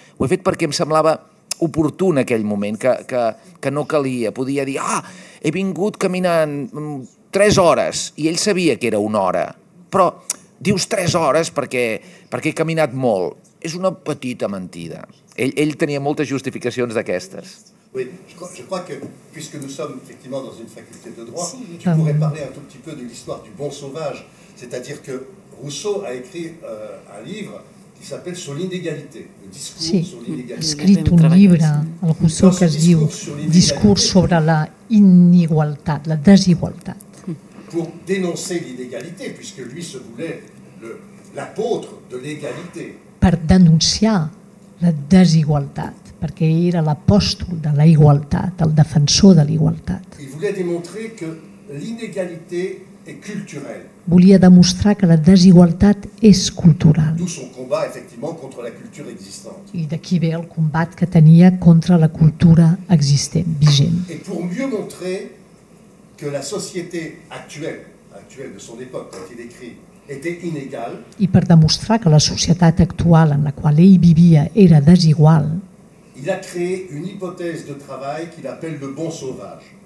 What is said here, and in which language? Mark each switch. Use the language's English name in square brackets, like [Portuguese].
[Catalan] Ho he fet perquè em semblava oportú en aquell moment, que no calia, podia dir, ah, he vingut caminant 3 hores, i ell sabia que era 1 hora, però dius 3 hores perquè he caminat molt. És una petita mentida. Ell tenia moltes justificacions d'aquestes. [French] Oui, je crois que, puisque nous sommes effectivement dans une faculté de droit, tu pourrais parler un tout petit peu de l'histoire du bon sauvage. C'est-à-dire que Rousseau a écrit un livre qui s'appelle Sur l'inégalité. Le discours sur l'inégalité. [Catalan] Sí, escrit un llibre, el Rousseau, que es diu Discurs sobre la inigualtat, la desigualtat. [French] Pour dénoncer l'inégalité, puisque lui se voulait l'apôtre de l'égalité. [Catalan] Per denunciar la desigualtat, perquè ell era l'apòstol de la igualtat, el defensor de la igualtat. [French] Il voulait démontrer que l'inégalité est culturelle. [Catalan] Volia demostrar que la desigualtat és cultural. [French] D'où son combat, effectivement, contre la culture existante. [Catalan] I d'aquí ve el combat que tenia contra la cultura existent, vigent. [French] Et pour mieux montrer que la société actuelle de son époque, quand il écrit, était inégale. [Catalan] I per demostrar que la societat actual en la qual ell vivia era desigual, [French] il a créé une hypothèse de travail qu'il appelle le bon sauvage.